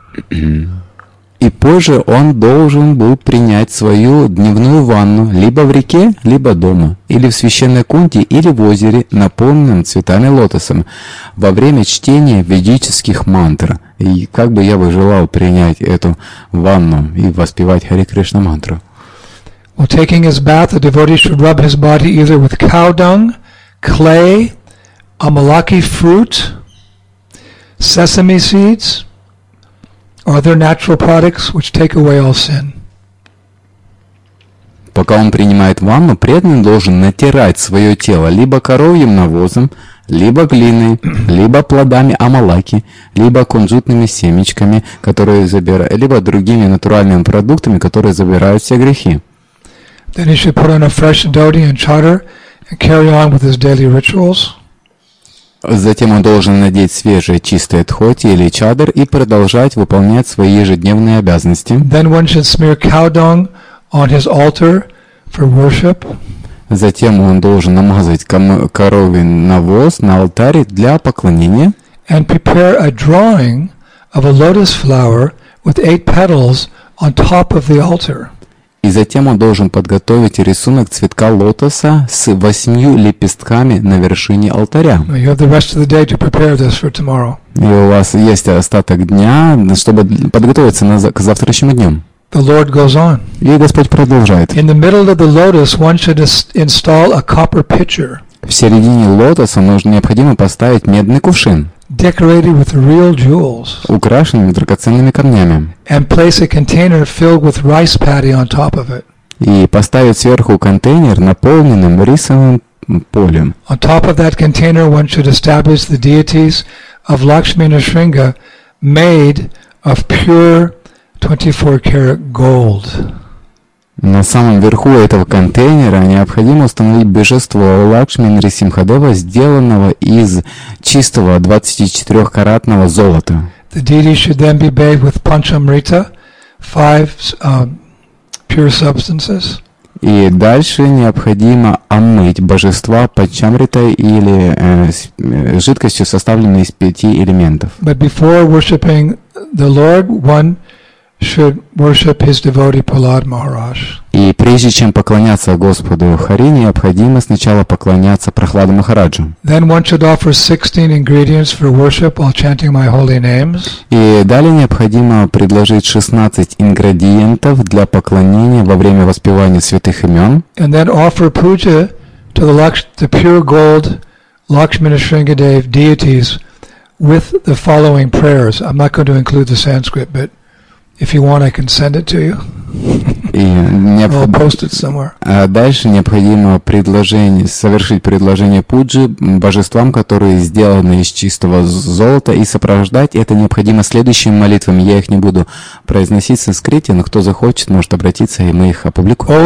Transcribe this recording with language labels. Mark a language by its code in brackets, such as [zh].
[ru] И позже он должен был принять свою дневную ванну либо в реке, либо дома, или в священной кунте, или в озере, наполненном цветами лотоса, во время чтения ведических мантр. И как бы я бы желал принять эту ванну и воспевать Хари Кришна мантру. [en] While taking his bath, a devotee should rub his body either with cow dung, clay, amalaki fruit, sesame seeds, are there natural products which take away all sin? [ru] Пока он принимает ванну, преданный должен натирать свое тело либо коровьим навозом, либо глиной, либо плодами амалаки, либо кунжутными семечками, которые забирают, либо другими натуральными продуктами, которые забирают все грехи. [en] Then he should put on a fresh dhoti and chadar and carry on with his daily rituals. [ru] Затем он должен надеть свежее чистое дхоти или чадр и продолжать выполнять свои ежедневные обязанности. [en] Then one should smear cow dung on his altar for worship. [ru] Затем он должен намазать коровий навоз на алтаре для поклонения. [en] And prepare a drawing of a lotus flower with 8 petals on top of the altar. [ru] И затем он должен подготовить рисунок цветка лотоса с 8 лепестками на вершине алтаря. [en] You have the rest of the day to prepare this for tomorrow. [ru] И у вас есть остаток дня, чтобы подготовиться к завтрашнему дню. [en] The Lord goes on. [ru] И Господь продолжает. [en] In the middle of the lotus, one should install a copper pitcher. [ru] В середине лотоса необходимо поставить медный кувшин, [en] decorated with real jewels, [ru] украшенными драгоценными камнями, [en] and place a container filled with rice paddy on top of it. [ru] И поставить сверху контейнер, наполненным рисовым полем. [en] On top of that container, one should establish the deities of Lakshmi and Nrisimha, made of pure 24-karat gold. [ru] На самом верху этого контейнера необходимо установить божество Лакшми Нрисимхадева, сделанного из чистого 24-каратного золота. [en] The deity should then be bathed with panchamrita, five pure substances. [ru] И дальше необходимо омыть божества панчамритой или жидкостью, составленной из пяти элементов. [en] But before worshiping the Lord, one should worship his devotee Prahlad Maharaj. [ru] И прежде чем поклоняться Господу Хари, необходимо сначала поклоняться Прахладу Махараджу. [en] Then one should offer 16 ingredients for worship while chanting my holy names. [ru] И далее необходимо предложить 16 ингредиентов для поклонения во время воспевания святых имен. [en] And then offer puja to the pure gold Lakshmi Nrisimhadev deities with the following prayers. I'm not going to include the Sanskrit, but if you want, I can send it to you. I'll post it somewhere. [ru] Дальше необходимо предложение, совершить предложение пуджи божествам, которые сделаны из чистого золота, и сопровождать это необходимо следующими молитвами. Я их не буду произносить в санскрите, но кто захочет, может обратиться, и мы их опубликуем.